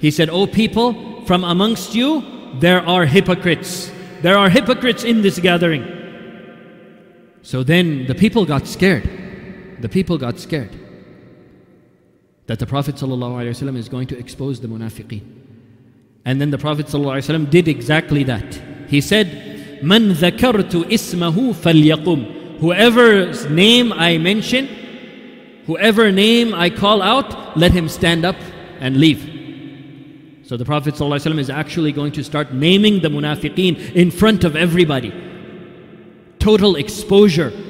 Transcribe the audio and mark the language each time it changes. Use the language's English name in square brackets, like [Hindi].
[English] He said, O people, from amongst you, there are hypocrites. There are hypocrites in this gathering. So then the people got scared. The people got scared that the Prophet ﷺ is going to expose the munafiqeen. And then the Prophet ﷺ did exactly that. He said, [Arabic] مَنْ ذَكَرْتُ إِسْمَهُ فَلْيَقُمْ. [English] Whoever's name I mention, whoever name I call out, let him stand up and leave. So the Prophet ﷺ is actually going to start naming the munafiqeen in front of everybody. Total exposure